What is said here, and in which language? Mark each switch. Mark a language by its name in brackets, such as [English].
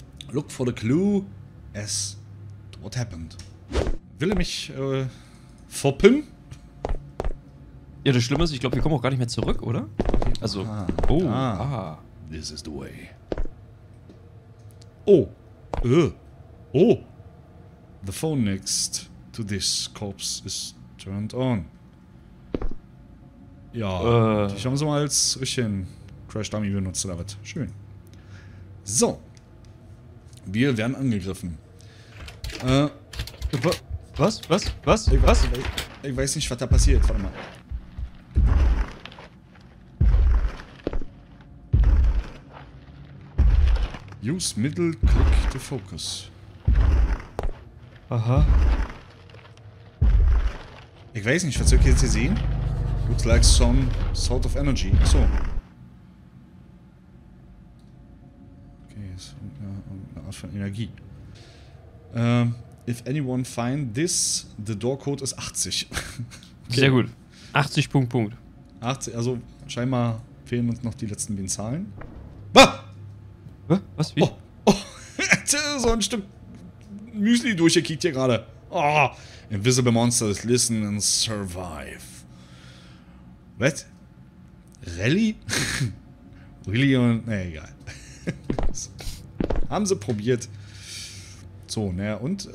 [English] Look for the clue as to what happened. [German] Will er mich foppen? Ja, das Schlimme ist, ich glaube, wir kommen auch gar nicht mehr zurück, oder? Also, [English] aha, oh, aha. This is the way. Oh, oh. The phone next to this corpse is turned on. [German] Ja, ich habe sie mal als richtigen Crash Dummy benutzt, David. Schön. So. Wir werden angegriffen. Was? Was? Was? Was? Ich weiß nicht, was da passiert. Warte mal. [English] Use middle click to focus. Aha. [German] Ich weiß nicht, was soll ich jetzt hier sehen? [English] Looks like some sort of energy. [German] Achso. Okay, ist irgendeine Art von Energie. [English] If anyone find this, the door code is 80. [German] Okay. Sehr gut. 80 Punkt Punkt. 80, also scheinbar fehlen uns noch die letzten wenigen Zahlen. Bah! Was? Wie? Oh, oh. So ein Stück Müsli durchgekickt hier gerade. Oh. [English] Invisible Monsters, listen and survive. What? Rally? Really? [German] Nee, egal. Haben sie probiert. So, naja, und?